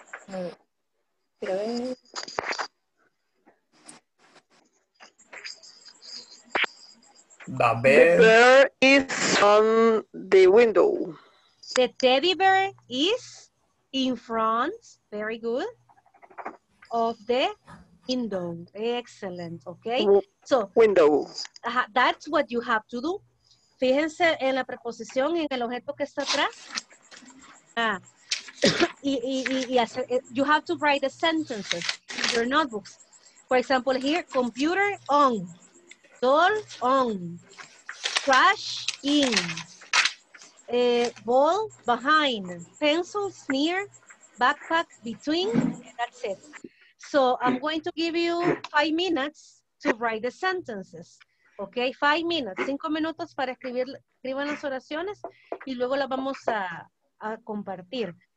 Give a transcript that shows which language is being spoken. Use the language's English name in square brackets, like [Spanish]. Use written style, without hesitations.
[English] The bear is on the window. The teddy bear is in front, very good, of the window. Excellent, okay? So, window. That's what you have to do. [Spanish] Fíjense en la preposición y en el objeto que está atrás. [English] Yes, you have to write the sentences in your notebooks. For example, here, computer on, doll on, trash in, ball behind, pencils near, backpack between, and that's it. So I'm going to give you 5 minutes to write the sentences. [Spanish] Okay, [English] 5 minutes, [Spanish] 5 minutos para escriban las oraciones y luego las vamos a compartir.